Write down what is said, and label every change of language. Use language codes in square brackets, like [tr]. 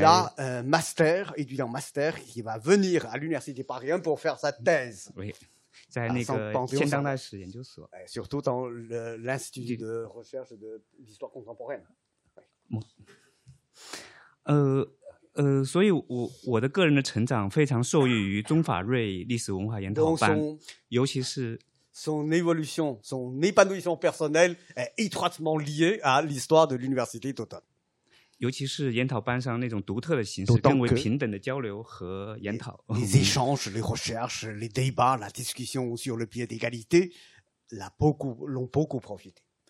[fr] Il y a un master, étudiant master, qui va venir à l'université Paris pour faire sa thèse. Oui. [zh] 在那个现当代史研究所。 [fr] Surtout dans l'institut de recherche de l'histoire contemporaine. [zh] 所以我的个人的成长非常受益于中法瑞历史文化研讨班，尤其是。Son [fr] évolution, son épanouissement personnel est étroitement lié à l'histoire de l'université d'automne. [zh] 尤其是研讨班上那种独特的形式，更为平等的交流和研讨。Les [fr] échanges, les recherches, les débats, la discussion sur le pied d'égalité l'ont beaucoup profité.